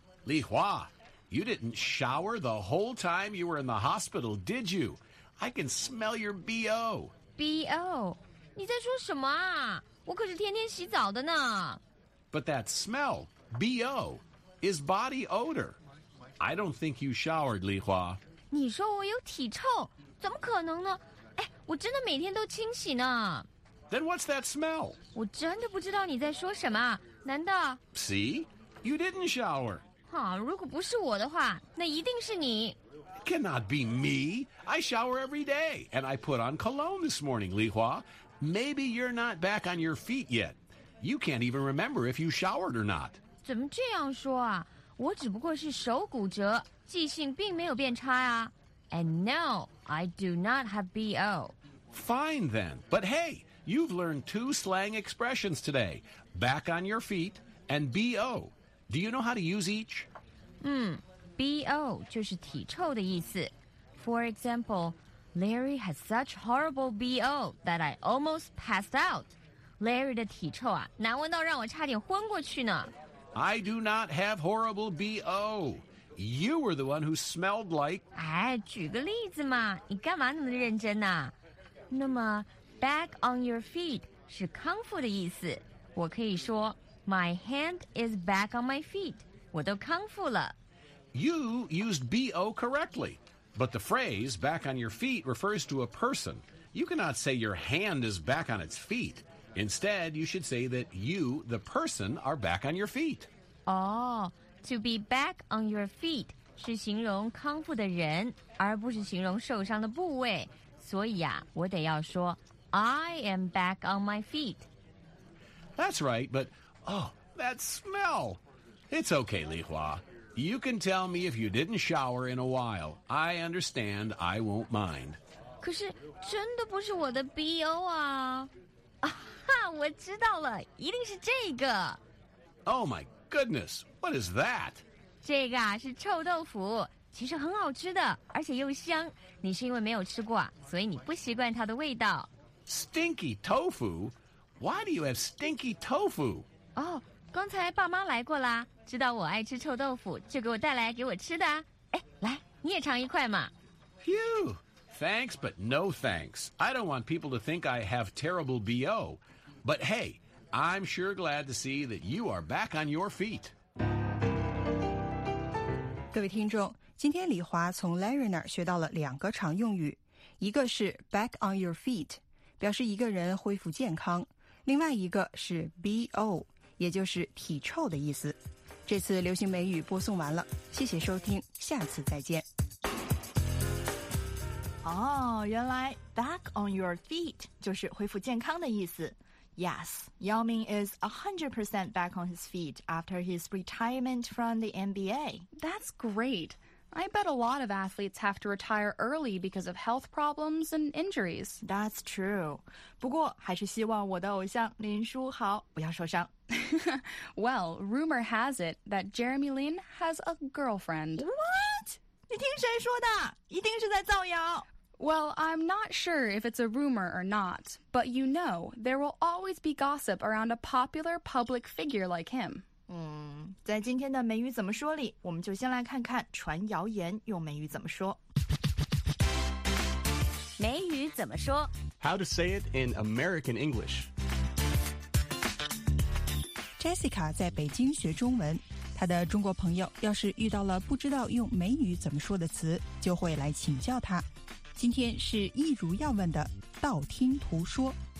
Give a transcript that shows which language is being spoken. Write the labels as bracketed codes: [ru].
[en] 李华, you didn't shower the whole time you were in the hospital, did you? I can smell your BO. [zh] BO? 你在说什么啊？我可是天天洗澡的呢。 [en] But that smell, B.O., is body odor. I don't think you showered, Li Hua. [zh] 你说我有体臭，怎么可能呢？哎，我真的每天都清洗呢。 [en] Then what's that smell? [zh] 我真的不知道你在说什么，难道 [en] ...See? You didn't shower. [zh] 哈，如果不是我的话，那一定是你。 [en] It cannot be me. I shower every day, and I put on cologne this morning, Li Hua.Maybe you're not back on your feet yet. You can't even remember if you showered or not. [zh] 怎么这样说啊？我只不过是手骨折，记性并没有变差啊。 [en] And no, I do not have BO. Fine then. But hey, you've learned two slang expressions today. Back on your feet and BO. Do you know how to use each? [zh] BO 就是体臭的意思。 [en] For example, Larry has such horrible BO that I almost passed out. [zh] Larry 的体臭啊，难闻到让我差点昏过去呢。 [en] I do not have horrible BO. You were the one who smelled like... [zh] 哎，举个例子嘛，你干嘛那么认真呢？那么 [en] back on your feet [zh] 是康复的意思。我可以说 [en] my hand is back on my feet. [zh] 我都康复了。 [en] You used BO correctly, but the phrase back on your feet refers to a person. You cannot say your hand is back on its feet. Instead, you should say that you, the person, are back on your feet. Oh, to be back on your feet [zh] 是形容康复的人，而不是形容受伤的部位。所以啊，我得要说 [en] I am back on my feet. That's right, but oh, that smell. It's okay, Li Hua. You can tell me if you didn't shower in a while. I understand. I won't mind. [zh] 可是真的不是我的 BO 啊。啊，我知道了，一定是这个。 [en] Oh my goodness, what is that? [zh] 这个啊是臭豆腐，其实很好吃的，而且又香。你是因为没有吃过啊，所以你不习惯它的味道。 [en] Stinky tofu? Why do you have stinky tofu? [zh] Oh, 刚才爸妈来过啦。知道我爱吃臭豆腐，就给我带来给我吃的、啊。哎，来，你也尝一块嘛。 [en] Phew, thanks, but no thanks. I don't want people to think I have terrible BO. But hey, I'm sure glad to see that you are back on your feet. [zh] 各位听众，今天李华从 Larry 那儿学到了两个常用语，一个是 [en] back on your feet， [zh] 表示一个人恢复健康；另外一个是 BO， 也就是体臭的意思。这次流行美语播送完了，谢谢收听，下次再见。哦，原来 [en] back on your feet [zh] 就是恢复健康的意思。 [en] Yes, Yao Ming is 100% back on his feet after his retirement from the NBA. That's great. I bet a lot of athletes have to retire early because of health problems and injuries. That's true. [zh] 不过还是希望我的偶像林书豪不要受伤。 [en] Well, rumor has it that Jeremy Lin has a girlfriend. What? [zh] 你听谁说的？一定是在造谣。 [en] Well, I'm not sure if it's a rumor or not, but you know, there will always be gossip around a popular public figure like him. [zh] 在今天的美语怎么说里，我们就先来看看传谣言用美语怎么说。美语怎么说？ [en] How to say it in American English. [zh] Jessica 在北京学中文，她的中国朋友要是遇到了不知道用美语怎么说的词，就会来请教她。今天是一如要问的道听途说。